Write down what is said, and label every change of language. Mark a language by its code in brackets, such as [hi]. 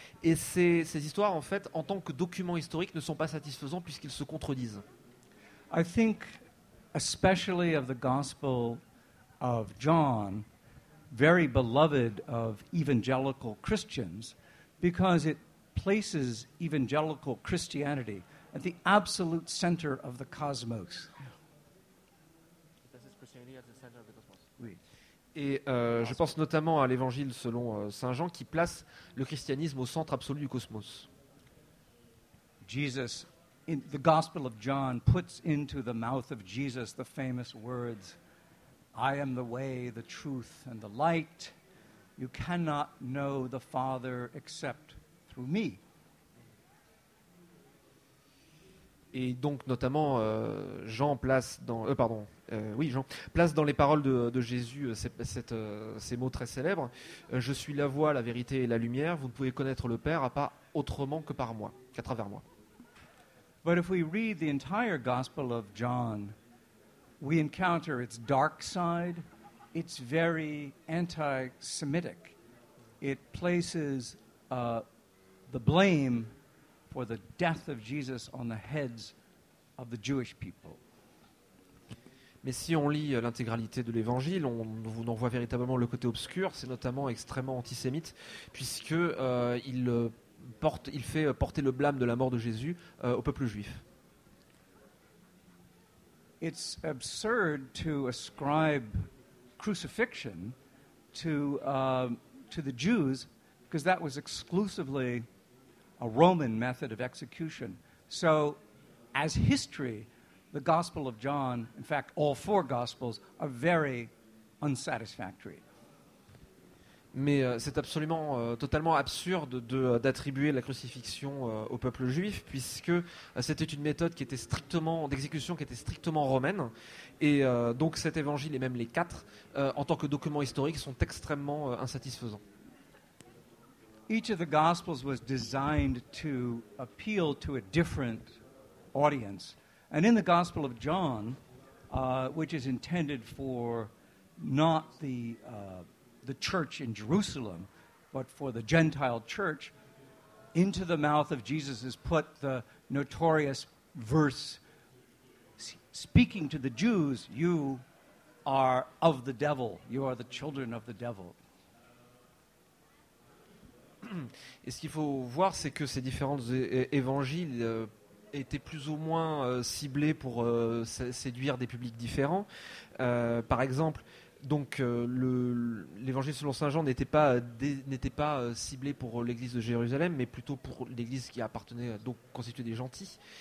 [fr] Et ces histoires, en fait, en tant que documents historiques, ne sont pas satisfaisants puisqu'ils se contredisent. [en] I think, especially of the Gospel of John, very beloved of evangelical Christians because it places evangelical Christianity at the absolute center of the cosmos. [fr] Oui. Et je pense notamment à l'évangile selon Saint Jean qui place le christianisme au centre absolu du cosmos. [en] Jesus, in the Gospel of John, puts into the mouth of Jesus the famous words, I am the way, the truth, and the light. You cannot know the Father except through me. [fr] Et donc, notamment, Jean place dans les paroles de Jésus ces mots très célèbres. Je suis la voie, la vérité et la lumière. Vous ne pouvez connaître le Père à pas autrement que par moi, qu'à travers moi. [en] But if we read the entire Gospel of John, we encounter its dark side. It's very anti-Semitic. It places the blame for the death of Jesus on the heads of the Jewish people. [fr] Mais si on lit l'intégralité de l'évangile, on en voit véritablement le côté obscur. C'est notamment extrêmement antisémite, puisque il fait porter le blâme de la mort de Jésus au peuple juif. [en] It's absurd to ascribe crucifixion to the Jews, because that was exclusively a Roman method of execution. So, as history, the Gospel of John, in fact, all four Gospels, are very unsatisfactory. [fr] Mais c'est absolument totalement absurde d'attribuer la crucifixion au peuple juif, puisque c'était une méthode qui était strictement d'exécution, qui était strictement romaine, et donc cet évangile et même les quatre, en tant que documents historiques, sont extrêmement insatisfaisants. [en] Each of the Gospels was designed to appeal to a different audience, and in the Gospel of John, which is intended for not the church in Jerusalem, but for the Gentile church, into the mouth of Jesus is put the notorious verse speaking to the Jews, you are of the devil, you are the children of the devil. [fr] Et ce qu'il faut voir, c'est que ces différents évangiles étaient plus ou moins ciblés pour séduire des publics différents. Par exemple, l'évangile selon saint Jean n'était pas ciblé pour l'église de Jérusalem, mais plutôt pour l'église qui appartenait, donc constituée des gentils.